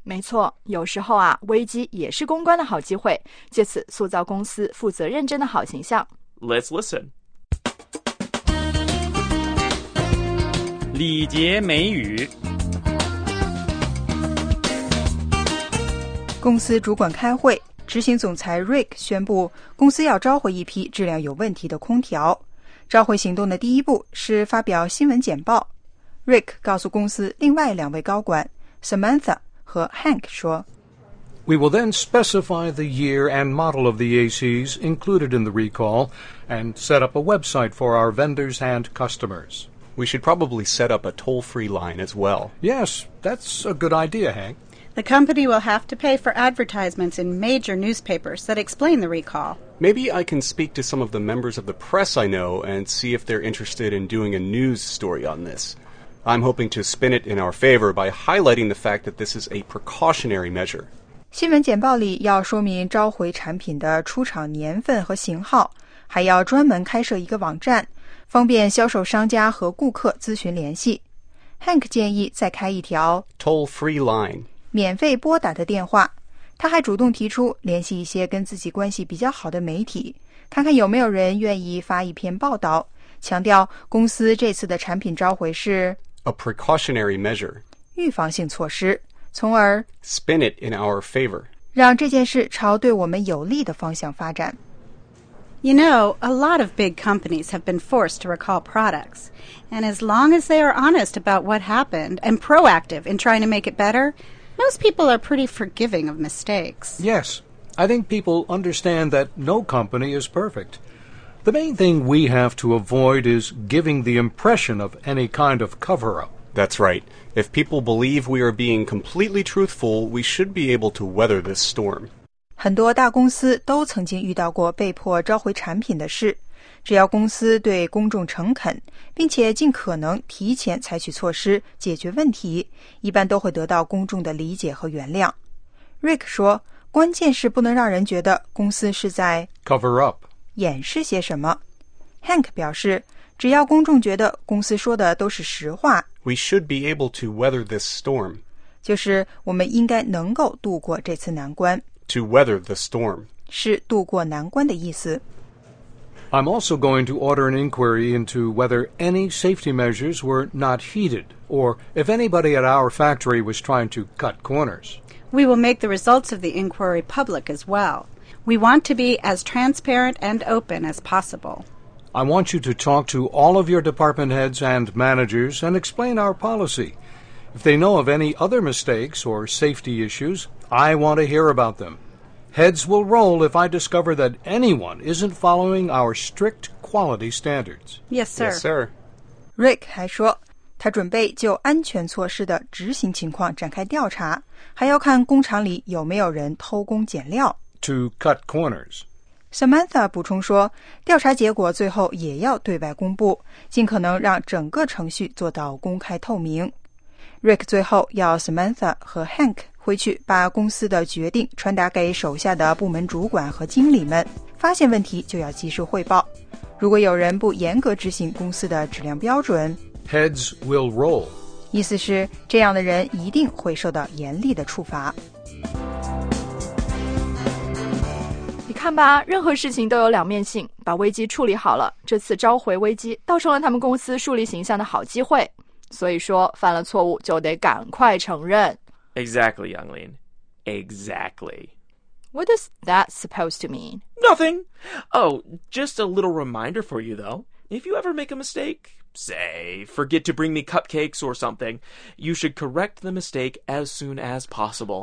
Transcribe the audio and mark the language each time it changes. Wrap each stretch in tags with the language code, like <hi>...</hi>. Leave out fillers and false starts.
<zh>没错，有时候啊，危机也是公关的好机会，借此塑造公司负责认真的好形象。</zh> <en>Let's listen.</en> <zh>礼节美语。公司主管开会，执行总裁 Rick 宣布公司要召回一批质量有问题的空调。召回行动的第一步是发表新闻简报。Rick 告诉公司另外两位高管 Samantha 和 Hank 说</zh> <en>We will then specify the year and model of the ACs included in the recall and set up a website for our vendors and customers. We should probably set up a toll-free line as well. Yes, that's a good idea, Hank. The company will have to pay for advertisements in major newspapers that explain the recall. Maybe I can speak to some of the members of the press I know and see if they're interested in doing a news story on this. I'm hoping to spin it in our favor by highlighting the fact that this is a precautionary measure.</en> <zh>新闻简报里要说明召回产品的出厂年份和型号，还要专门开设一个网站，方便销售商家和顾客咨询联系。 Hank 建议再开一条</zh> <en>toll-free line,</en> <zh>免费拨打的电话。他还主动提出联系一些跟自己关系比较好的媒体，看看有没有人愿意发一篇报道。强调公司这次的产品召回是</zh> <en>a precautionary measure</en> <zh>预防性措施，从而</zh> <en>spin it in our favor</en> <zh>让这件事朝对我们有利的方向发展。 You know, a lot of big companies have been forced to recall products, and as long as they are honest about what happened and proactive in trying to make it better, most people are pretty forgiving of mistakes. Yes, I think people understand that no company is perfect. The main thing we have to avoid is giving the impression of any kind of cover-up. That's right. If people believe we are being completely truthful, we should be able to weather this storm. 很多大公司都曾经遇到过被迫召回产品的事。只要公司对公众诚恳，并且尽可能提前采取措施解决问题，一般都会得到公众的理解和原谅。 Rick 说，关键是不能让人觉得公司是在</zh> <en>cover up</en> <zh>掩饰些什么。 Hank 表示，只要公众觉得公司说的都是实话，</zh> <en>We should be able to weather this storm.</en> <zh>就是我们应该能够度过这次难关。</zh> <en>To weather the storm.</en> <zh>是度过难关的意思。</zh> <en>I'm also going to order an inquiry into whether any safety measures were not heeded, or if anybody at our factory was trying to cut corners. We will make the results of the inquiry public as well. We want to be as transparent and open as possible. I want you to talk to all of your department heads and managers and explain our policy. If they know of any other mistakes or safety issues, I want to hear about them. Heads will roll if I discover that anyone isn't following our strict quality standards. Yes, sir. Yes, sir.</en> <zh>Rick 还说，他准备就安全措施的执行情况展开调查，还要看工厂里有没有人偷工减料。</zh> <en>To cut corners.</en> <zh>Samantha 补充说，调查结果最后也要对外公布，尽可能让整个程序做到公开透明。 Rick 最后要 Samantha 和 Hank 回去把公司的决定传达给手下的部门主管和经理们，发现问题就要及时汇报。如果有人不严格执行公司的质量标准</zh> <en>，Heads will roll，</en> <zh>意思是这样的人一定会受到严厉的处罚。你看吧，任何事情都有两面性，把危机处理好了，这次召回危机倒成了他们公司树立形象的好机会。所以说，犯了错误就得赶快承认。</zh> <en>Exactly, Younglin. Exactly. What is that supposed to mean? Nothing. Oh, just a little reminder for you, though. If you ever make a mistake, say, forget to bring me cupcakes or something, you should correct the mistake as soon as possible.</en>